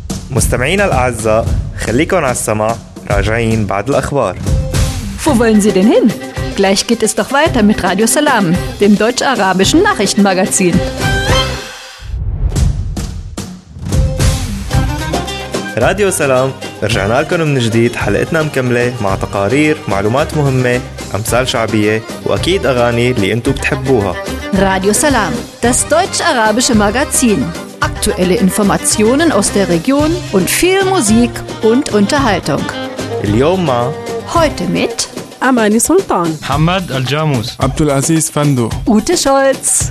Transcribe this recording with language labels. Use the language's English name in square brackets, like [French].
[Arabic] مستمعينا الأعزاء، خليكم على السماع. Rajain بعد الأخبار. [German] Wo wollen Sie denn hin? Gleich geht es doch weiter mit Radio Salam, dem deutsch-arabischen Nachrichtenmagazin. [Arabic] Radio Salam, رجعنا لكم من جديد. حلقتنا مكملة مع تقارير، معلومات مهمة، أمثال شعبية وأكيد أغاني اللي أنتم بتحبوها. [German] Radio Salam, das deutsch-arabische Magazin. Aktuelle Informationen aus der Region und viel Musik und Unterhaltung. [Arabic] اليوم [German] heute mit Amani Sultan, Hamad Al-Jamus, Abdul Aziz Fando, Ute Scholz,